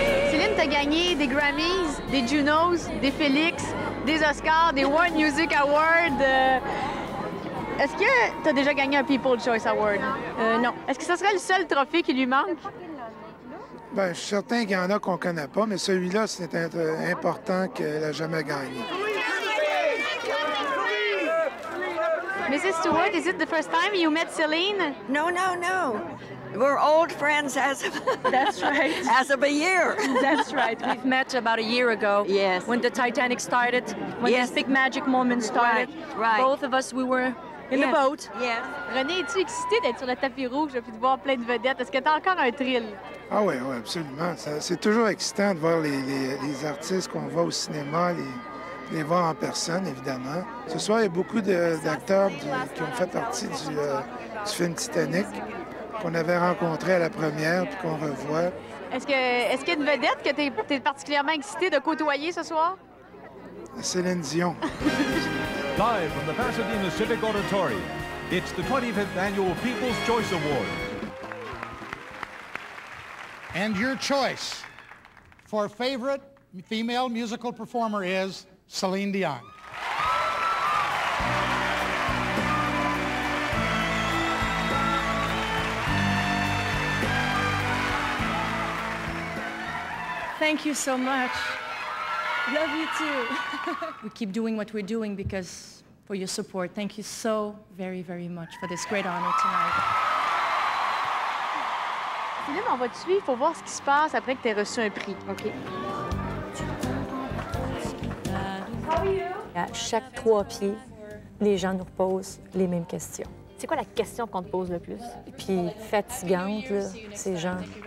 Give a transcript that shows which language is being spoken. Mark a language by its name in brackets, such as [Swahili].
[French] Céline, t'as gagné des Grammys, des Junos, des Félix, des Oscars, des World Music Awards. Est-ce que tu as déjà gagné un People's Choice Award? Non. Est-ce que ce serait le seul trophée qui lui manque? Bien, je suis certain qu'il y en a qu'on ne connaît pas, mais celui-là, c'est important qu'elle n'ait jamais gagné. [English] Mrs. Stewart, is it the first time you met Céline? No, no, no. We're old friends as of... That's right. As of a year. That's right. We've met about a year ago. Yes. When the Titanic started, when yes. this big magic moment started. Right, right. Both of us, we were... In yes. the boat. Yes. [French] René, es-tu excitée d'être sur le tapis rouge et de voir plein de vedettes? Est-ce que t'as encore un thrill? Ah oui, oui, absolument. Ça, c'est toujours excitant de voir les artistes qu'on voit au cinéma, les voir en personne, évidemment. Ce soir, il y a beaucoup d'acteurs qui ont fait partie du film Titanic, qu'on avait rencontré à la première puis qu'on revoit. Est-ce qu'il y a une vedette que t'es particulièrement excitée de côtoyer ce soir? Céline Dion. [English] Live from the Pasadena Civic Auditorium, it's the 25th Annual People's Choice Award. And your choice for favorite female musical performer is Celine Dion. Thank you so much. Love you too. We keep doing what we're doing because for your support. Thank you so very, very much for this great honor tonight. [French] Céline, on va te suivre pour voir ce qui se passe après que tu aies reçu un prix. OK. À chaque trois pieds, les gens nous posent les mêmes questions. C'est quoi la question qu'on te pose le plus? Et puis fatigante, là, ces gens.